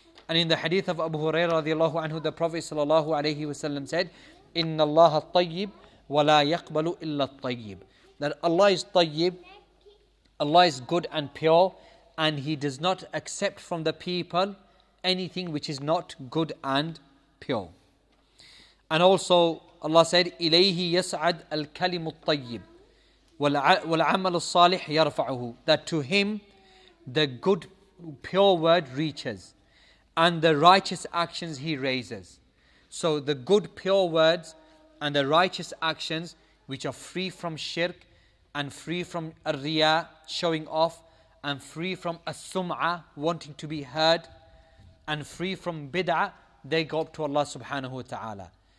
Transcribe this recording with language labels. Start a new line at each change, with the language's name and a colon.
English: And in the hadith of Abu Hurairah radiallahu anhu, the Prophet sallallahu alayhi wasallam said,
Arabic: "Inna Allah tayyib, wa la yaqbalu illa tayyib."
English: That Allah is tayyib, Allah is good and pure, and He does not accept from the people anything which is not good and pure. And also Allah said,
Arabic: إِلَيْهِ يَسْعَدْ الْكَلِمُ الطَّيِّبُ وَالْعَمَلُ الصَّالِحِ يَرْفَعُهُ.
English: That to Him, the good, pure word reaches, and the righteous actions He raises. So the good, pure words, and the righteous actions, which are free from shirk, and free from الرِّيَا, showing off, and free from السُّمْعَة, wanting to be heard, and free from bid'ah, they go up to Allah subhanahu wa ta'ala.